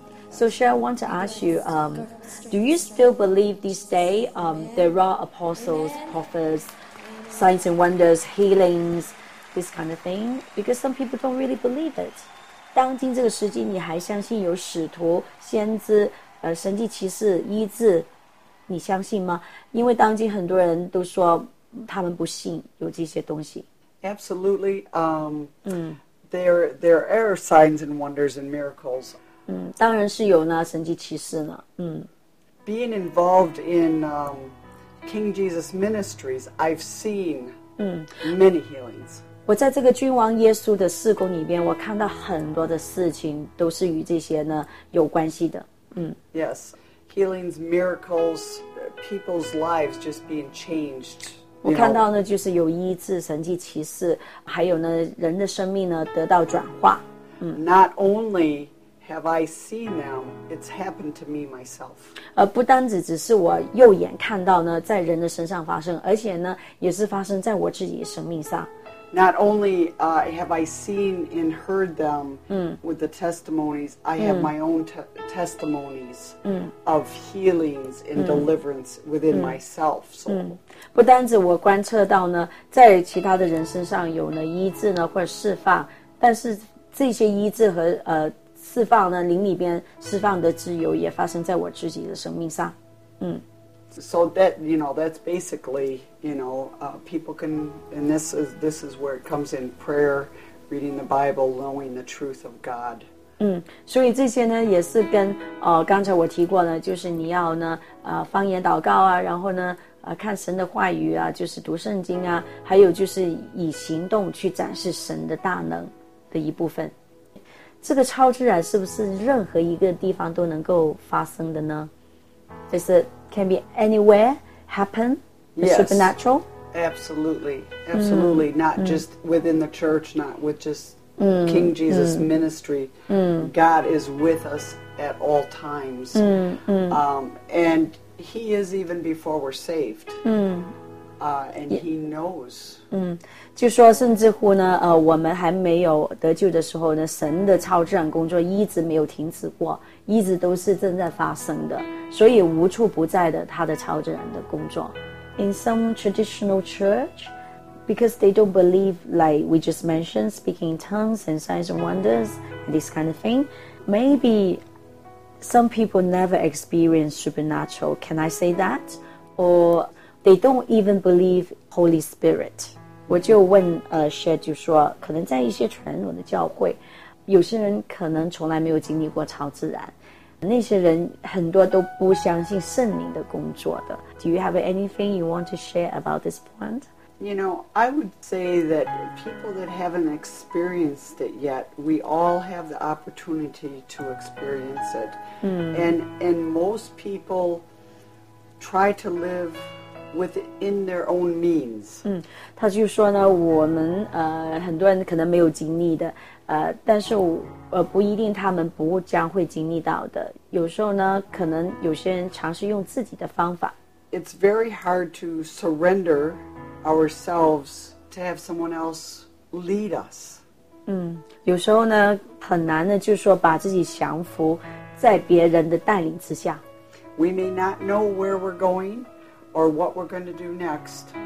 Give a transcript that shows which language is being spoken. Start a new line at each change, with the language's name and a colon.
English: So, Cheryl, I want to ask you, do you still believe these days there are apostles, prophets, signs and wonders, healings, this kind of thing? Because some people don't really believe it.
Chinese: 当今这个时期，你还相信有使徒、先知、神迹奇事、医治，你相信吗？因为当今很多人都说他们不信有这些东西。
English: Absolutely. There are signs and wonders and miracles.
Chinese: 当然是有那神迹奇事呢。
English: Being involved in King Jesus ministries, I've seen many healings.
Chinese: 我在这个君王耶稣的事工里边，我看到很多的事情都是与这些呢有关系的。
English: Yes, healings, miracles, people's lives just being changed.
Chinese: 我看到呢，就是有医治、神迹奇事，还有呢人的生命呢得到转化。
English: Not only. Have I seen them? It's happened to me myself.
Chinese: 不单只是我右眼看到呢，在人的身上发生，而且呢，也是发生在我自己的生命上。
English: Not only have I seen and heard them with the testimonies, I have my own testimonies of healings and deliverance within myself. So,
Chinese: 不单只我观测到呢，在其他的人身上有呢医治呢或者释放，但是这些医治和释放呢，灵里边释放的自由也发生在我自己的生命上。
English: So that, you know, that's basically, you know, people can, and this is where it comes in prayer, reading the Bible, knowing the truth of God.
Chinese: 所以这些呢也是跟刚才我提过呢，就是你要呢方言祷告啊，然后呢看神的话语啊，就是读圣经啊，还有就是以行动去展示神的大能的一部分。这个超自然是不是任何一个地方都能够发生的呢？就是
English: can be anywhere happen the yes, supernatural. Absolutely, absolutely. Not just within the church, not with just King Jesus ministry. God is with us at all times. And He is even before we're saved. And he knows.
Chinese: 就说甚至乎呢，我们还没有得救的时候呢，神的超自然工作一直没有停止过，一直都是正在发生的，所以无处不在的他的超自然的工作。
English: In some traditional church, because they don't believe, like we just mentioned, speaking in tongues and signs and wonders, this kind of thing, maybe some people never experience supernatural. Can I say that? Or they don't even believe Holy Spirit.
Chinese: 我就问Shed 就说，可能在一些传统的教会，有些人可能从来没有经历过超自然。那些人很多都不相信圣灵的工作的。
English: Do you have anything you want to share about this point? You know, I would say that people that haven't experienced it yet, we all have the opportunity to experience it. And most people try to live within their own means.
Chinese: 他就说呢，我们很多人可能没有经历的。但是不一定他们不将会经历到的，有时候呢可能有些人尝试用自己的方法。
English: It's very hard to surrender ourselves to have someone else lead us.
Chinese: 有时候呢很难的，就是说把自己降服在别人的带领之下。
English: We may not know where we're going or what we're going to do next.